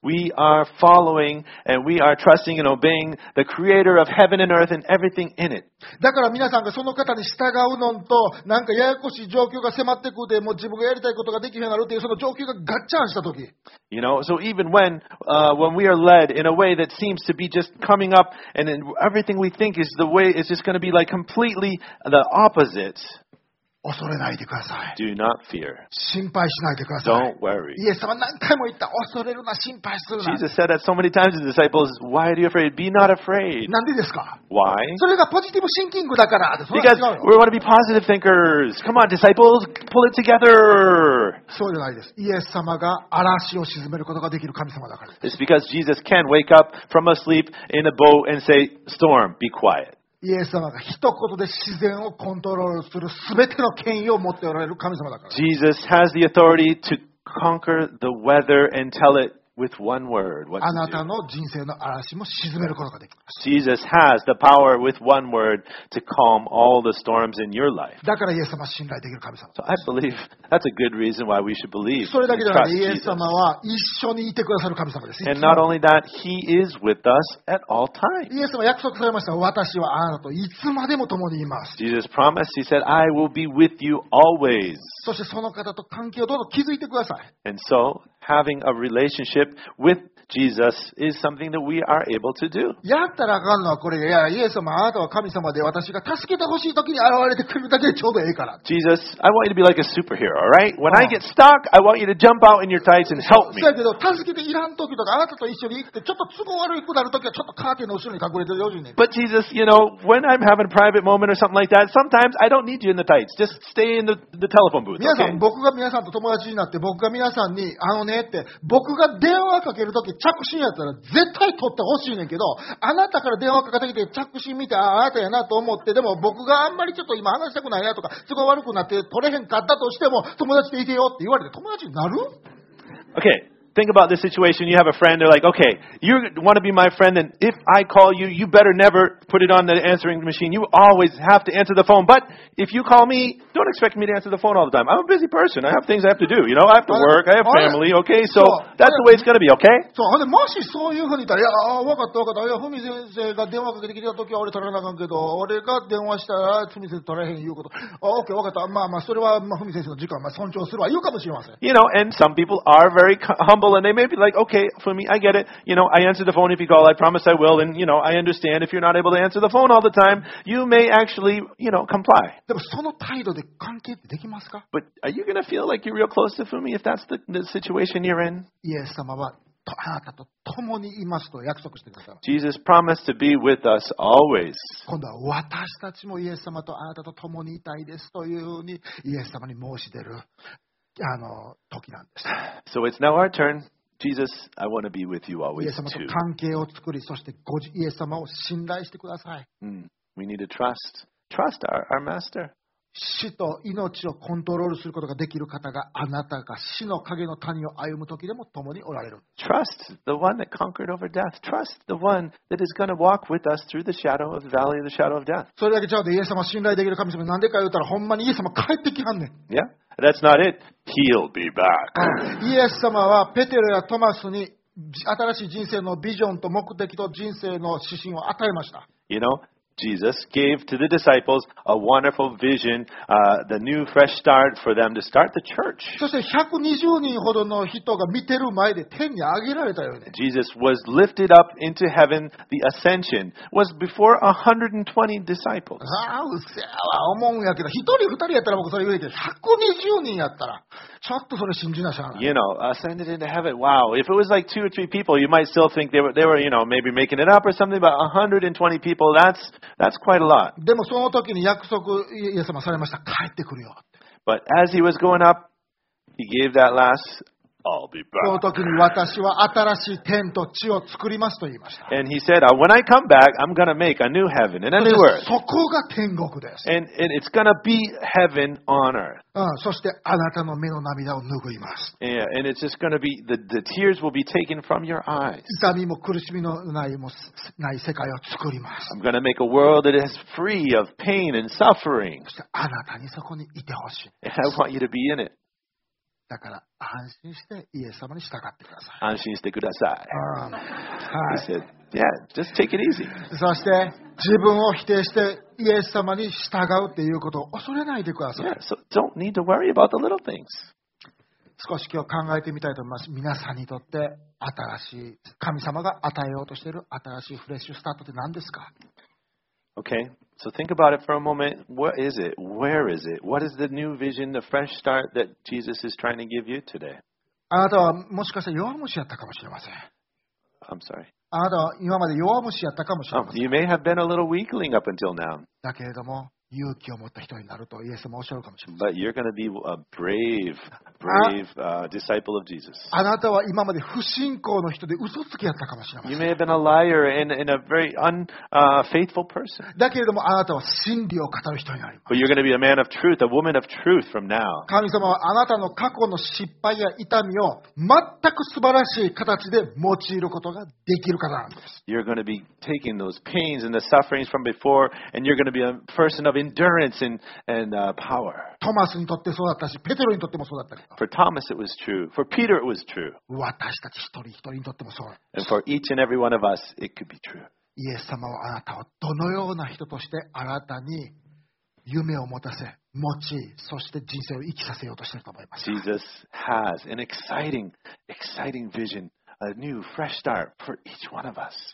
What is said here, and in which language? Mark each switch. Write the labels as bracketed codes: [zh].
[en] We are following and we are trusting and obeying the creator of heaven and earth and everything in it. [ja] だから皆さんがその方に従うのと、なんかややこしい状況が迫ってくるで、もう自分がやりたいことができるようになるっていうその状況がガッチャンしたとき。 [en] You know, so even when we are led in a way that seems to be just coming up and then everything we think is the way is just going to be like completely the opposite. [ja] 恐れないでください。 [en] Do not fear. [ja] 心配しないでください。 [en] Don't worry. [ja] イエス様何回も言った。恐れるな、心配するな。 [en] Jesus said that so many times to the disciples, why are you afraid? Be not afraid. [ja] なんでですか? [en] Why? [ja] それがポジティブシンキングだから。 [en] Because we want to be positive thinkers. Come on, disciples, pull it together. [ja] そうじゃないです。イエス様が嵐を沈めることができる神様だから。 [en] It's because Jesus can wake up from a sleep in a boat and say, storm, be quiet. [ja] イエス様が一言で自然をコントロールするすべての権威を持っておられる神様だから。 [en] Jesus has the authority to conquer the weather and tell it with one word. [ja] あなたの人生の嵐も沈めることができます。 [en] Jesus has the power with one word to calm all the storms in your life. [ja] だからイエス様は信頼できる神様。 [en] So I believe that's a good reason why we should believe. [ja] それだけじゃない。イエス様は一緒にいてくださる神様です。 [en] And not only that, He is with us at all times. [ja] イエス様約束されました。私はあなたといつまでも共にいます。 [en] Jesus promised. He said, "I will be with you always." [ja] そしてその方と関係をどうぞ築いてください。 [en] And so. Having a relationship with Jesus is something that we are able to do. [ja] やったらあかんのはこれ。いや、イエス様、あなたは神様で、私が助けてほしい時に現れてくるだけでちょうどいいから。 [en] Jesus, I want you to be like a superhero, all right? When I get stuck, I want you to jump out in your tights and help me. [ja] そうやけど、助けていらん時とか、あなたと一緒に行くって、ちょっと都合悪くなる時は、ちょっとカーテンの後ろに隠れてよしね。 [en] But Jesus, you know, when I'm having a private moment or something like that, sometimes I don't need you in the tights. Just stay in the telephone booth. [ja] 皆さん、僕が皆さんと友達になって、僕が皆さんに、あのね、って僕が電話かけるとき着信やったら絶対取ってほしいねんけど、あなたから電話かかってきて着信見て あなたやなと思って、でも僕があんまりちょっと今話したくないなとか都合悪くなって取れへんかったとしても、友達でいてよって言われて友達になる [en] ？Okay, think about this situation. You have a friend. They're like, okay, you want to be my friend, and if I call you, you better never put it on the answering machine. You always have to answer the phone. But if you call me. Don't expect me to answer the phone all the time. I'm a busy person. I have things I have to do. You know, I have to work. I have family. Okay, so that's the way it's going to be. Okay. So, and [ja] もしそういうふうに言ったら、いや、わかったわかった。いや、ふみ先生が電話かけてきた時は俺取らなあかんけど、俺が電話したらふみ先生取らへんいうこと。 Okay, わかった。まあまあそれはまあふみ先生の時間まあ尊重するわ。言うかもしれません。 [en] You know, and some people are very humble, and they may be like, okay, for me, I get it. You know, I answer the phone if you call. I promise I will. And you know, I understand if you're not able to answer the phone all the time, you may actually, you know, comply. [ja] でもその態度で。関係ってできますか? [en] But are you gonna feel like you're real close to Fumi if that's the situation you're in? [ja] イエス様はあなたと共にいますと約束してください。 [en] Jesus promised to be with us always. [ja] 今度は私たちもイエス様とあなたと共にいたいですというふうにイエス様に申し出るあの時なんです。 [en] So it's now our turn. Jesus, I want to be with you always too. [ja] イエス様と関係を作り、そしてイエス様を信頼してください。 [en] We need to trust. Trust our master. [ja] 死と命をコントロールすることができる方があなたが死の影の谷を歩む時でも共におられる。 [en] Trust the one that conquered over death. Trust the one that is going to walk with us through the shadow of the valley of the shadow of death. [ja] それだけちゃうで、イエス様を信頼できる神様なんでか言ったら、ほんまにイエス様帰ってきはんねん。 [en] Yeah, that's not it. He'll be back. [ja] イエス様はペテロやトマスに新しい人生のビジョンと目的と人生の指針を与えました。 [en] You know? Jesus gave to the disciples a wonderful vision, the new fresh start for them to start the church. [ja] そして120人ほどの人が見てる前で天に上げられたよね。 [en] Jesus was lifted up into heaven, the ascension was before 120 disciples. [ja] ああ、うせえわ、思うんやけど、一人二人やったら僕それ言うけど、120人やったら、ちょっとそれ信じなしゃあない。 [en] You know, ascended into heaven, wow, if it was like two or three people, you might still think they were, you know, maybe making it up or something, but 120 people, that's quite a lot. [ja] でもその時に約束イエス様されました。帰ってくるよ。 [en] But as he was going up, he gave that last, I'll be back. [ja] その時に私は新しい天と地を作りますと言いました。 [en] And he said, when I come back, I'm going to make a new heaven and a new earth. [ja] そこが天国です。 [en] And it's going to be heaven on earth. [ja] うん、そしてあなたの目の涙を拭います。 [en] Yeah, and it's just going to be the tears will be taken from your eyes. [ja] 痛みも苦しみのない世界を作ります。 [en] I'm going to make a world that is free of pain and suffering. [ja] そしてあなたにそこにいてほしい。 [en] I want you to be in it. [ja] だから安心してイエス様に従ってください。安心してください。はい。 [en] He said, yeah, just take it easy. [ja] そして自分を否定してイエス様に従うということを恐れないでください。 [en] Yeah, so don't need to worry about the little things. [ja] 少し今日考えてみたいと思います。皆さんにとって新しい神様が与えようとしている新しいフレッシュスタートって何ですか？ [en] Okay, so think about it for a moment. What is it? Where is it? What is the new vision, the fresh start that Jesus is trying to give you today? [ja] あなたはもしかして弱虫やったかもしれません。 [en] I'm sorry. [ja] あなたは今まで弱虫やったかもしれません。 [en] You may have been a little weakling up until now. [ja] だけれども勇気を持った人になるとイエスもおっしゃるかもしれません。 [en] But you're going to be a brave, brave disciple of Jesus. [ja] あなたは今まで不信仰の人で嘘つきやったかもしれません。 [en] You may have been a liar and a very unfaithful person. [ja] だけれどもあなたは真理を語る人になります。 [en] But you're going to be a man of truth, a woman of truth from now. [ja] 神様はあなたの過去の失敗や痛みを全く素晴らしい形で用いることができる方なんです。 [en] You're going to be taking those pains and the sufferings from before, and you're going to be a person of endurance and power. [ja] トマスにとってそうだったし、ペテロにとってもそうだったけど。 [en] For Thomas it was true. For Peter it was true. [ja] 私たち一人一人にとってもそう。 [en] And for each and every one of us it could be true. [ja] イエス様はあなたをどのような人としてあなたに夢を持たせ、持ち、そして人生を生きさせようとしていると思います。 [en] Jesus has an exciting, exciting vision, a new, fresh start for each one of us.